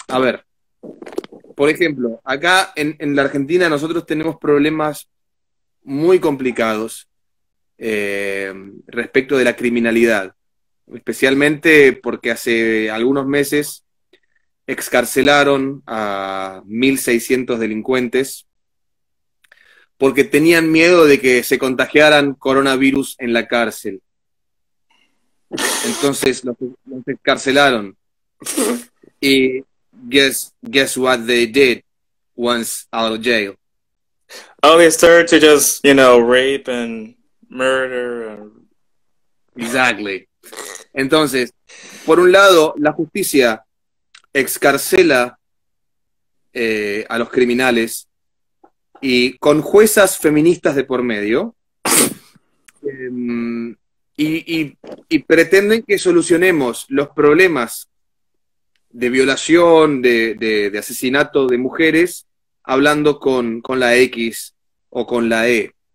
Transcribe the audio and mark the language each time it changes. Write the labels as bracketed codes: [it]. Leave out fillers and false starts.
[es] A ver, por ejemplo, acá en la Argentina nosotros tenemos problemas muy complicados respecto de la criminalidad, especialmente porque hace algunos meses excarcelaron a 1.600 delincuentes porque tenían miedo de que se contagiaran coronavirus en la cárcel. Entonces los excarcelaron. [en] Y guess what they did once out of jail. Oh, they start to just, rape and murder and Exactly. [es] Entonces, por un lado, la justicia excarcela a los criminales y con juezas feministas de por medio y pretenden que solucionemos los problemas de violación, de asesinato de mujeres, hablando con la X o con la E.